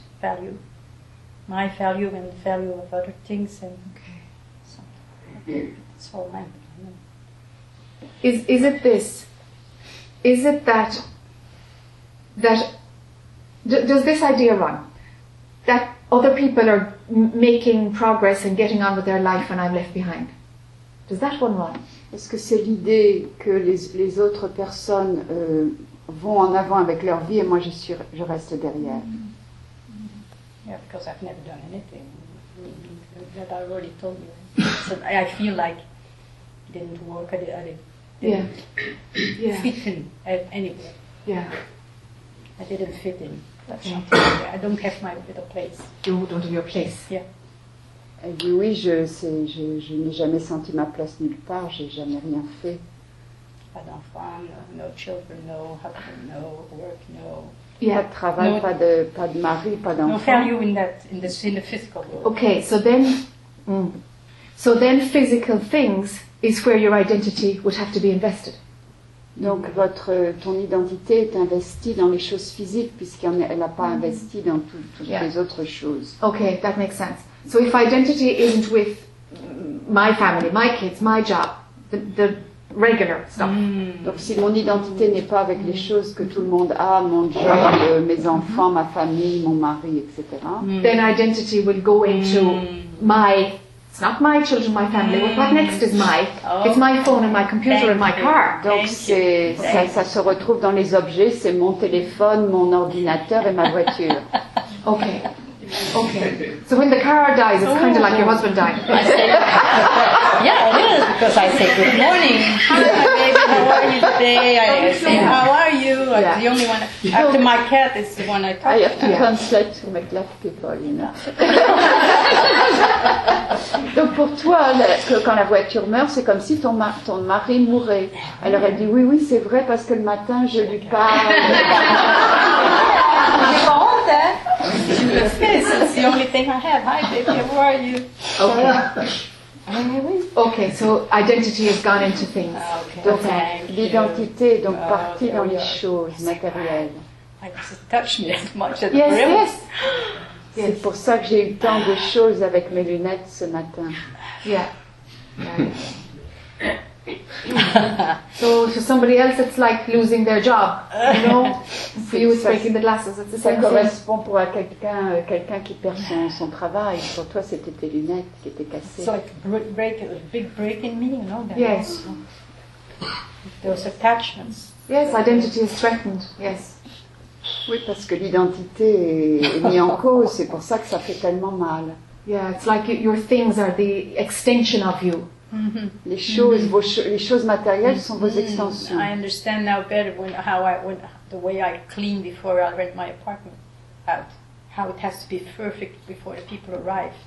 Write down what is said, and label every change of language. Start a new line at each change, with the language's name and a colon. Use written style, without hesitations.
English: value, my value and the value of other things, and it's all mine. You know. Is it this? Is it that? Does this idea run? That other people are making progress and getting on with their life when I'm left behind. Does that one run?
French: Est-ce que c'est l'idée que les autres personnes vont en avant avec leur vie et moi je reste derrière?
English: Yeah, because I've never done anything that I already told you. So I feel like it didn't work. I didn't fit in anywhere. Yeah. I didn't fit in. That's not. I don't have my little place. You don't have your place. Yeah.
French: Elle dit oui, je n'ai jamais senti ma place nulle part, j'ai jamais rien fait. Pas d'enfant,
English: no children, no husband, no work, no.
French: Yeah. Pas de travail,
English: no,
French: pas de mari, pas d'enfant.
English: No value in the physical world. Okay, so then physical things is where your identity would have to be invested.
French: Donc ton identité est investie dans les choses physiques puisqu'elle n'a pas investi dans toutes les autres choses.
English: Okay, that makes sense. So if identity isn't with my family, my kids, my job, the regular stuff. Mm.
French: Donc si mon identité n'est pas avec les choses que tout le monde a, mon job, mes enfants, ma famille, mon mari, etc.
English: Then identity will go into my. It's not my children, my family. Mm. What next is my? Oh. It's my phone and my computer Thank and my car.
French: Donc ça se retrouve dans les objets. C'est mon téléphone, mon ordinateur et ma voiture.
English: Okay. Okay. So when the car dies, it's kind of like your husband died. Yeah, it is, because I say good morning. How are you today? I'm the only one. After my cat is the one I talk to. I have to translate to make laugh people, you know.
French: Donc pour toi, quand la voiture meurt, c'est comme si ton mari mourait. Alors elle dit, oui, c'est vrai, parce que le matin, je lui parle.
English: Yes, it's the only thing I have. Hi, baby, how are you? Okay. Okay, so identity has gone into things. Okay.
French: Donc,
English: thank
French: l'identité
English: you.
French: Est donc partie dans les choses matérielles.
English: I just touched me as much as the brim. Yes. Yes.
French: C'est pour ça que j'ai eu tant de choses avec mes lunettes ce matin.
English: Yeah. So for somebody else, it's like losing their job. You know, for you, it's breaking the glasses. It's the same thing.
French: Ça correspond pour quelqu'un qui perd son travail. Pour toi, c'était tes lunettes qui étaient cassées.
English: So a big break in me, you know. Yes. Those attachments. Yes, identity is threatened. Yes.
French: Oui, parce que l'identité est mise en cause. C'est pour ça que ça fait tellement mal.
English: Yeah, it's like your things are the extension of you.
French: Mm-hmm. Les choses, mm-hmm. Les choses matérielles sont vos extensions.
English: I understand now better the way I clean before I rent my apartment out. How it has to be perfect before the people arrive.